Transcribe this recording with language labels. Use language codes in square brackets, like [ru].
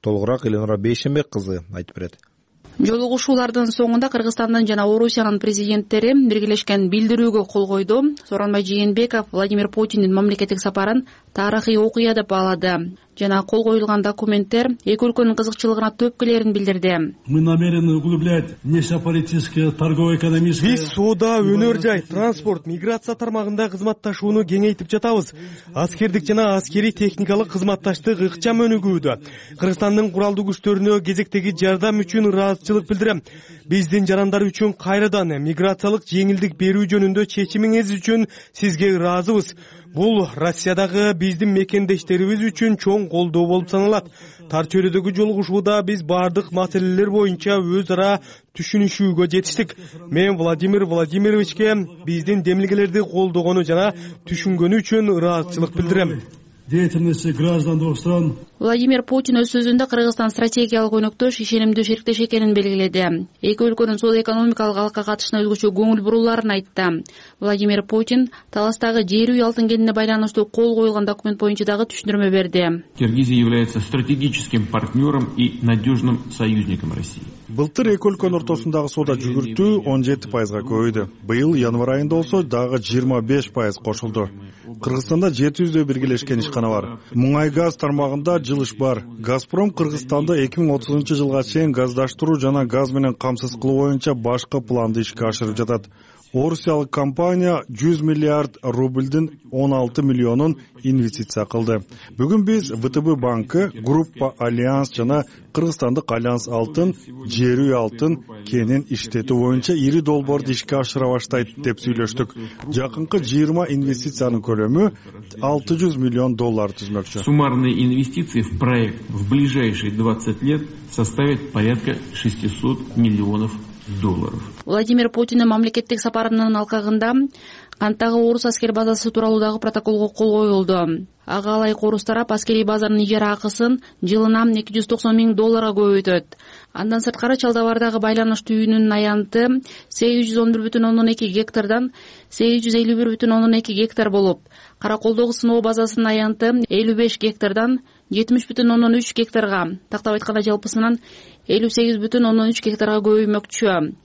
[ky] Толугураак Эленора Бейшенбек кызы айтып берет. Жолугушуулардын соңунда Кыргызстандын жана Орусиянын президенттери биргелешкен билдирүүгө кол койду. Сооронбай Жээнбеков Владимир Путиндин мамлекеттик сапарын тарыхый окуя деп баалады жана кол коюлган документтер эки өлкөнүн кызыкчылыгына төпкөлөрүн билдирди. [ru] Мы намерены углублять внешнеполитическое, торгово-экономическое. [ky] Биз соода, өнөр жай, транспорт, миграция тармагында кызматташууну кеңейтип жатабыз. Аскердик жана аскерий техникалык кызматташтык ыкчам өнүгүүдө. Кыргызстандын куралдуу күчтөрүнө кезектеги жардам үчүн ыраазычылык билдирем. Биздин жарандар үчүн кайрадан миграциялык жеңилдик берүү жөнүндө чечимиңиз үчүн сизге ыраазыбыз. Бул Россиядагы биздин мекендештерибиз үчүн чоң колдоо болуп саналат. Тарчөрөдөгү жолугушууда биз бардык маселелер боюнча өз ара түшүнүшүүгө жетиштик. Мен Владимир Владимировичке биздин демилгелерди колдогону жана түшүнгөнү үчүн ыраазычылык билдирем. [ru] Деятельности граждан двух стран. [ky] Владимир Путин өз сөзүндө Кыргызстан стратегиялык өнөктөш, ишенимдүү шектеш экенин белгиледи. Эки өлкөнүн соода экономикалык алка катышына өзгөчө көңүл бурууларын айтты. Владимир Путин Таластагы жер үй алтын кенине байланыштуу кол коюлган документ боюнча дагы түшүндүрмө берди. [ru] Киргизия является стратегическим партнером и надежным союзником России. [ky] Былтыр эки өлкөнүн ортосундагы соода жүгүртүү 17% көбөйдү. Быйыл январь айында болсо дагы 25% кошулду. Кыргызстанда 700 биргелешкен ишкана бар. Мунай газ тармагында жылыш бар. Газпром Кыргызстанда 2030 жылга чейин газдаштыруу жана газ менен камсыз кылуу боюнча башкы планды ишке ашырып жатат. Орусиялык компания 100 миллиард рубльдин 16 миллионун инвестиция кылды. Бүгүн биз ВТБ банкы, Группа Альянс жана Кыргызстандык Альянс Алтын жер үй алтын кенин иштетүү боюнча ири долбоорду ишке ашыра баштайт деп сүйлөштүк. Жакынкы 20 инвестициянын көлөмү 600 миллион доллар түзмөкчү. [ru] Суммарные инвестиции в проект в ближайшие 20 лет составят порядка 600 миллионов долларов. [ky] Владимир Путиндин мамлекеттик сапарынын алкагында Кантагы орус аскер базасы тууралуу дагы протоколго кол коюлду. Ага ылайык орус тарап аскерий базанын ижара акысын жылына 290 000 долларга көбөйтөт. Андан сырткары Чалдавардагы байланыштуу үйүнүн аянты 811,2 гектардан 851,2 гектар болуп, Караколдогу сыноо базасынын аянты 55 гектардан 70,3 гектарга, тактап айтканда жалпысынан 58,3 гектарга көбөймөкчү.